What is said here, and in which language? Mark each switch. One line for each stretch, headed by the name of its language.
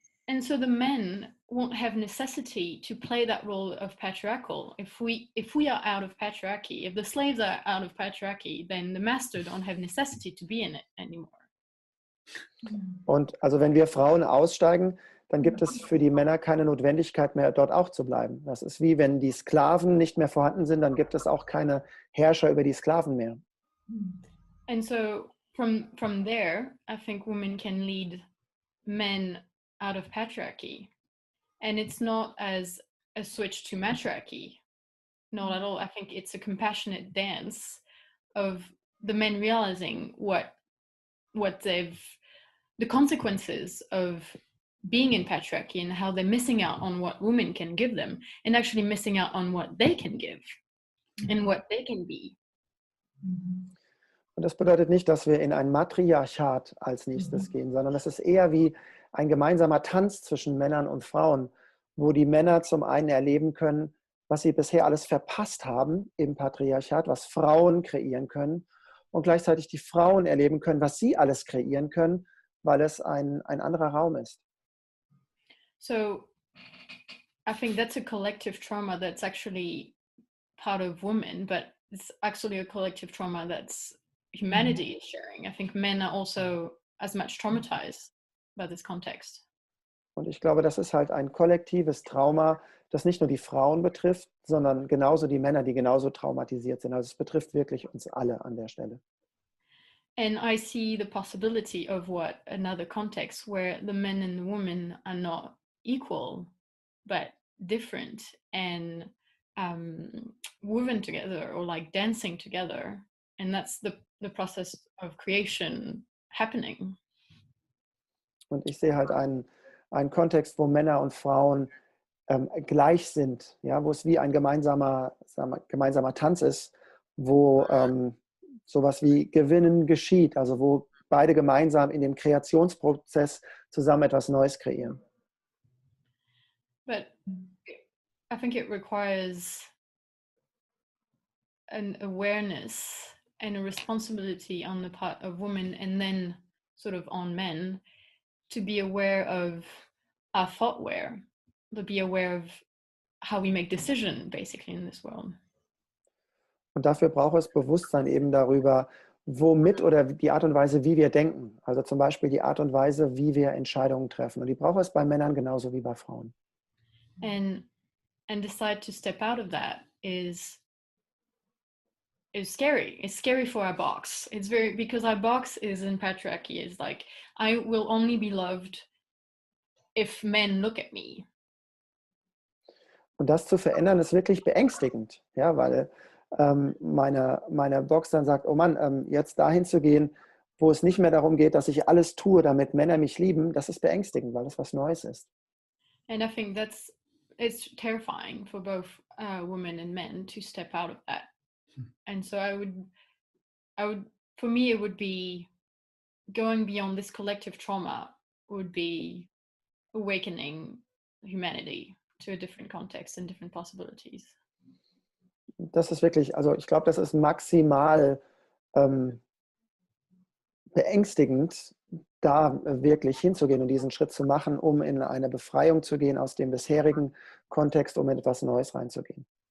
English: And so the men won't have necessity to play that role of patriarchal. If we are out of patriarchy, if the slaves are out of patriarchy, then the master don't have necessity to be in it anymore.
German: Und also wenn wir Frauen aussteigen, dann gibt es für die Männer keine Notwendigkeit mehr, dort auch zu bleiben. Das ist wie wenn die Sklaven nicht mehr vorhanden sind, dann gibt es auch keine Herrscher über die Sklaven mehr.
English: And so from there, I think women can lead men out of patriarchy. And it's not as a switch to matriarchy. Not at all. I think it's a compassionate dance of the men realizing what they've the consequences of being in patriarchy and how they're missing out on what women can give them and actually missing out on what they can give and what they can be.
German: Und das bedeutet nicht, dass wir in ein Matriarchat als nächstes gehen, sondern es ist eher wie ein gemeinsamer Tanz zwischen Männern und Frauen, wo die Männer zum einen erleben können, was sie bisher alles verpasst haben im Patriarchat, was Frauen kreieren können, und gleichzeitig die Frauen erleben können, was sie alles kreieren können, weil es ein anderer Raum ist.
English: So, I think that's a collective trauma that's actually part of women, but it's actually a collective trauma that's humanity is sharing. I think men are also as much traumatized by this context.
German: Und ich glaube, das ist halt ein kollektives Trauma, das nicht nur die Frauen betrifft, sondern genauso die Männer, die genauso traumatisiert sind. Also es betrifft wirklich uns alle an der Stelle.
English: And I see the possibility of what another context where the men and the women are not equal, but different and woven together or like dancing together. And that's the process of creation happening.
German: Und ich sehe halt einen Kontext, wo Männer und Frauen gleich sind, ja, wo es wie ein gemeinsamer Tanz ist, wo sowas wie Gewinnen geschieht, also wo beide gemeinsam in dem Kreationsprozess zusammen etwas Neues kreieren.
English: But I think it requires an awareness and a responsibility on the part of women and then sort of on men to be aware of our thoughtware, to be aware of how we make decisions basically in this world.
German: Und dafür braucht es Bewusstsein eben darüber, womit oder die Art und Weise, wie wir denken. Also zum Beispiel die Art und Weise, wie wir Entscheidungen treffen. Und die braucht es bei Männern genauso wie bei Frauen.
English: And decide to step out of that is scary. It's scary for our box. It's very, because our box is in patriarchy. It's like, I will only be loved if men look at me.
German: Und das zu verändern, ist wirklich beängstigend. Ja, weil meine Box dann sagt, oh Mann, jetzt dahin zu gehen, wo es nicht mehr darum geht, dass ich alles tue, damit Männer mich lieben, das ist beängstigend, weil das was Neues ist.
English: And I think that's, it's terrifying for both women and men to step out of that. And so I would, for me, it would be going beyond this collective trauma would be awakening humanity to a different context and different possibilities.
German: Das ist wirklich, also ich glaube, das ist maximal beängstigend, da wirklich hinzugehen und diesen Schritt zu machen, um in eine Befreiung zu gehen aus dem bisherigen Kontext, um in etwas Neues reinzugehen.